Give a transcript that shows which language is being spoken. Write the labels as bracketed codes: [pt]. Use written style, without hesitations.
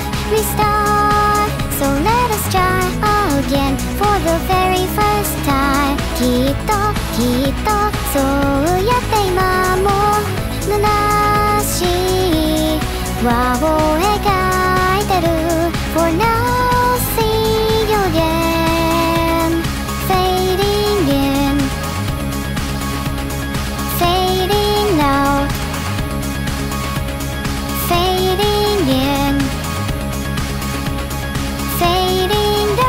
[en] Restart, so let us try again for the very first time. [ja] きっときっとそうやって今も虚しい輪を描いてる。 [en] For now see you again. Fading in, fading out, fading in, fading.